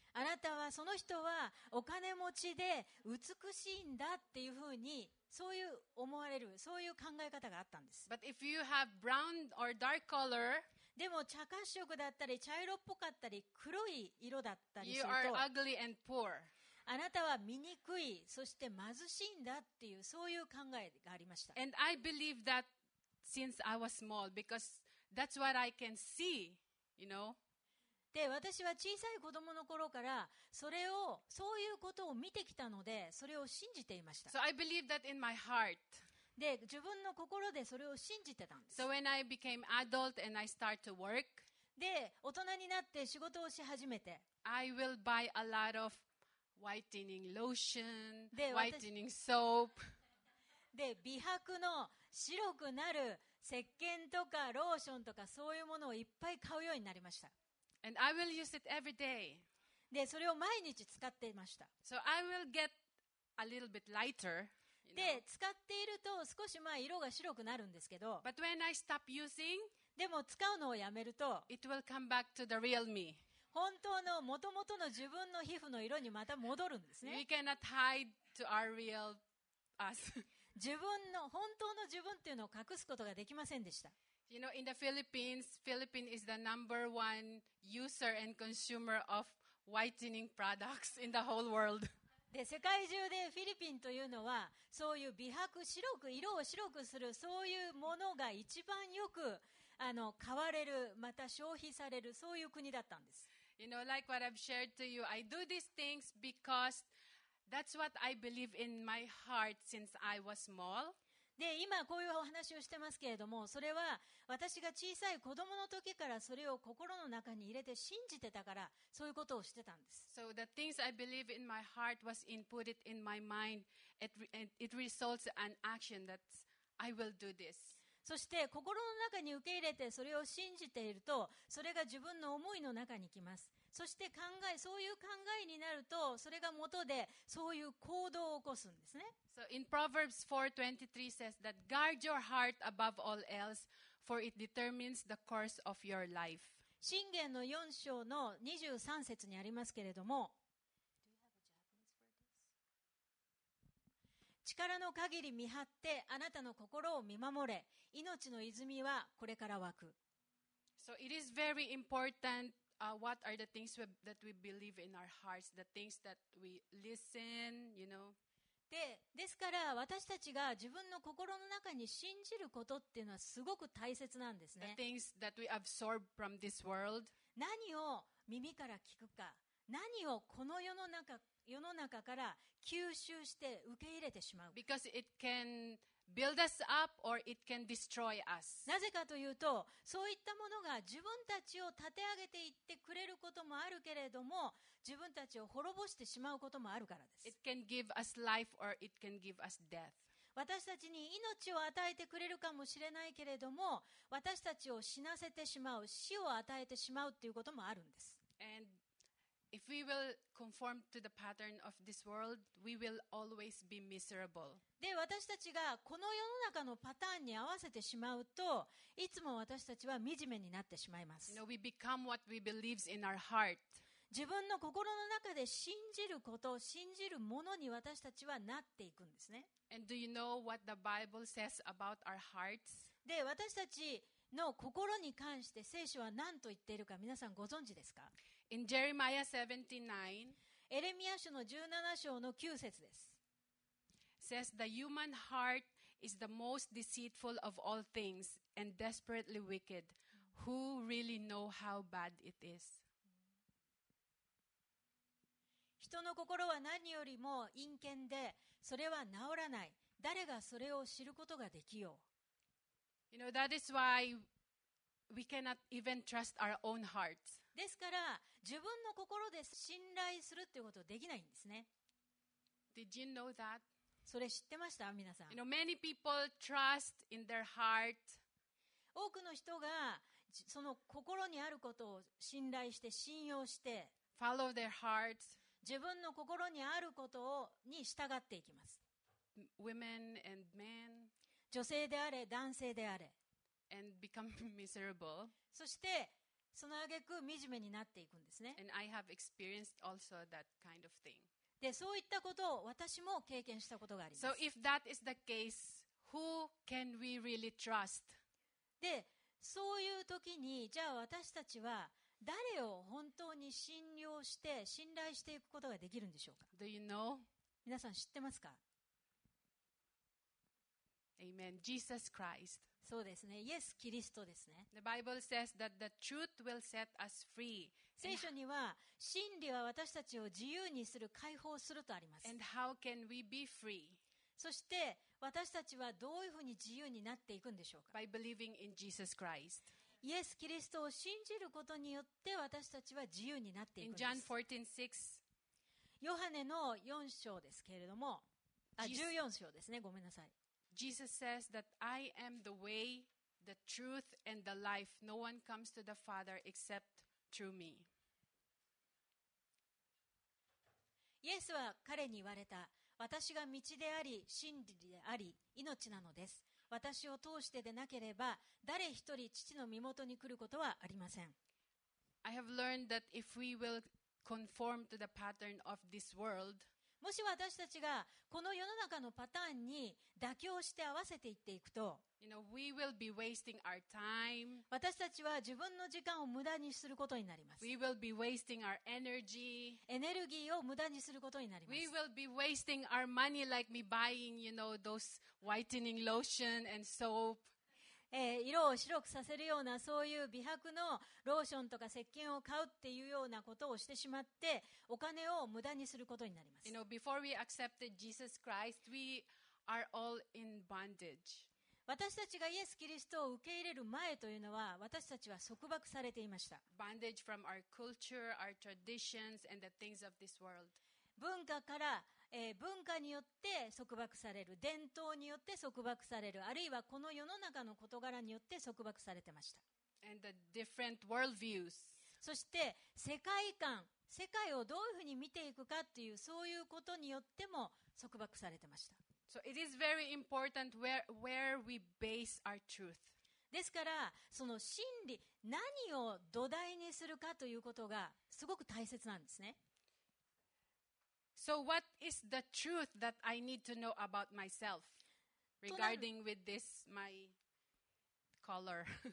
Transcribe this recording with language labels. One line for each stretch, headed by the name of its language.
Japanese: あなたはその人はお金持ちで美しいんだっていうふうにそういう思われるそういう考え方があったんです。
English: But if you have brown or dark color,
Japanese: でも茶褐色だったり茶色っぽかったり黒い色だったりすると
English: You are ugly and poor.
Japanese: あなたは醜いそして貧しいんだっていうそういう考えがありました。
English: And I believe that since I was small because that's what I can see, you know.
Japanese: で私は小さい子どもの頃からそういうことを見てきたのでそれを信じていました。
English: So I believe that in my heart.
Japanese: で自分の心でそれを信じてたんです。
English: So when I became adult and I start to work,
Japanese: で大人になって仕事をし始めて、
English: I will buy a lot of whitening lotion, whitening soap.
Japanese: で美白の白くなる石鹸とかローションとかそういうものをいっぱい買うようになりました。
English: And I will use it every day.
Japanese: でそれを毎日使っていました。
English: So I will get a little bit lighter,
Japanese: で使っていると少しまあ色が白くなるんですけど。
English: But when I stop using,
Japanese: でも使うのをやめると、
English: it will come back to the real me.
Japanese: 本当の元々の自分の皮膚の色にまた戻るんですね。
English: We cannot hide to our real us.
Japanese: 自分の本当の自分っていうのを隠すことができませんでした。
English: You know, in the Philippines, Philippines is the number one user and consumer of whitening products in the whole world.
Japanese: で、世界中でフィリピンというのはそういう美白、白く色を白くするそういうものが一番よく買われる、また消費されるそういう国だったんです。
English: You know, like what I've shared to you, I do these things because that's what I believe in my heart since I was small.
Japanese: で今こういうお話をしてますけれどもそれは私が小さい子供の時からそれを心の中に入れて信じてたからそういうことをしてたんです。
English: So the things I believe in my heart was inputted in my mind it results an action that I will do this.
Japanese: そして心の中に受け入れてそれを信じているとそれが自分の思いの中に来ます。そして考えそういう考えになるとそれが元でそういう行動を起こすんですね。
English: So in Proverbs 4:23 says that guard your heart above all else for it determines the course of your life.
Japanese: 箴言の4章の23節にありますけれども力の限り見張ってあなたの心を見守れ命の泉はこれから湧く。
English: So it is very importantwhat are the things that we believe in our hearts, the things that we listen, you know?
Japanese: で、ですから私たちが自分の心の中に信じることっていうのはすごく大切なんですね。
English: The things that we absorb from this world.
Japanese: 何を耳から聞くか、何をこの世の中から吸収して受け入れてしまうか。
English: Because it can... Build us up or it can destroy us.
Japanese: なぜかというとそういったものが自分たちを立て上げていってくれることもあるけれども自分たちを滅ぼしてしまうこともあるからです。
English: It can give us life or it can give us death.
Japanese: 私たちに命を与えてくれるかもしれないけれども私たちを死なせてしまう死を与えてしまうということもあるんです。
English: And if we will conform to the pattern of this world, we will always be miserable.
Japanese: で私たちがこの世の中のパターンに合わせてしまうといつも私たちは惨めになってしまいます。
English: you know, we become what we believe in our heart.
Japanese: 自分の心の中で信じること信じるものに私たちはなっていくんですね。
English: And do you know what the Bible says about our hearts?
Japanese: で私たちの心に関して聖書は何と言っているか皆さんご存知ですか。
English: In Jeremiah 79,
Japanese: エレミア書の17章の9節です。
English: Says the human heart is the most deceitful of all things and desperately wicked. Who really know how bad it is?
Japanese: 人の心は何よりも陰険で、それは治らない。誰がそれを知ることができよう。
English: You know, that is why we cannot even trust our own hearts.
Japanese: ですから、自分の心で信頼するっていうことはできないんですね。
English: Did you know that?
Japanese: それ知ってました皆さん。
English: You know, many people trust in their heart.
Japanese: 多くの人がその心にあることを信頼して信用して
English: Follow their hearts.
Japanese: 自分の心にあることに従っていきます。
English: Women and men.
Japanese: 女性であれ男性であれ、
English: and become miserable.
Japanese: そしてその挙句惨めになっていくんですね。
English: and I have experienced also that kind of thing.
Japanese: でそういったことを私も経験したことがあります。
English: So if that is the case, who can we really trust?
Japanese: でそういう時にじゃあ私たちは誰を本当に信用して信頼していくことができるんでしょうか。
English: Do you know?
Japanese: 皆さん知ってますか。
English: Amen. Jesus Christ.
Japanese: そうですね。イエス・キリストですね。
English: The Bible says that the truth will set us free.
Japanese: 聖書には真理は私たちを自由にする解放するとあります。
English: And how can we be free?
Japanese: そして私たちはどういうふうに自由になっていくんでしょうか。
English: By believing in Jesus Christ.
Japanese: イエス・キリストを信じることによって私たちは自由になっていくんです。
English: John 14:6
Japanese: ヨハネの4章ですけれども、あ、14章ですね、ごめんなさい。
English: Jesus says that I am the way, the truth, and the life. No one comes to the Father except through me.
Japanese: イエスは彼に言われた。私が道であり、真理であり、命なのです。私を通してでなければ誰一人父の身元に来ることはありません。
English: I have learned that if we will conform to the pattern of this world,
Japanese: もし私たちがこの世の中のパターンに妥協して合わせていっていくと、
English: you know, we will be wasting our time.
Japanese: 私たちは自分の時間を無駄にすることになります。
English: we will be wasting our energy.
Japanese: エネルギーを無駄にすることになります。
English: we will be wasting our money like me buying, you know, those whitening lotion and soap.
Japanese: 色を白くさせるようなそういう美白のローションとか石鹸を買うっていうようなことをしてしまってお金を無駄にすることになります。
English: You know, before we accepted Jesus Christ, we are all in bondage.
Japanese: 私たちがイエス・キリストを受け入れる前というのは私たちは束縛されていました。
English: Bondage from our culture, our traditions, and the things of this world.
Japanese: 文化から文化によって束縛される、伝統によって束縛される、あるいはこの世の中の事柄によって束縛されてました。
English: And the different world views.
Japanese: そして世界観、世界をどういうふうに見ていくかっていうそういうことによっても束縛されてました。
English: So it is very important where we base our truth.
Japanese: ですからその真理、何を土台にするかということがすごく大切なんですね。
English: So what is the truth that I need to know about myself regarding with this my color?